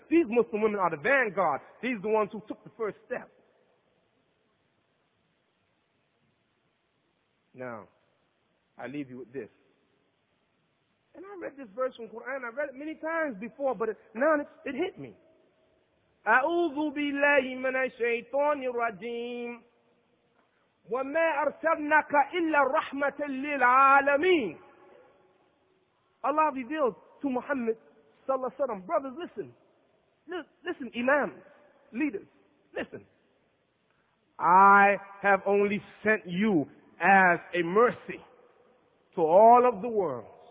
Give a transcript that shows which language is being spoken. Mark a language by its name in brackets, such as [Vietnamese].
[English] These Muslim women are the vanguard. These are the ones who took the first step. Now, I leave you with this. And I read this verse from Quran. I read it many times before, but now it hit me. [Arabic] أعوذ بالله من الشيطان الرجيم وما أرسلناك إلا رحمة للعالمين. [English] Allah revealed to Muhammad [Arabic] صلى الله عليه وسلم, [English] brothers, listen. Listen, imams, leaders, listen. I have only sent you as a mercy to all of the world.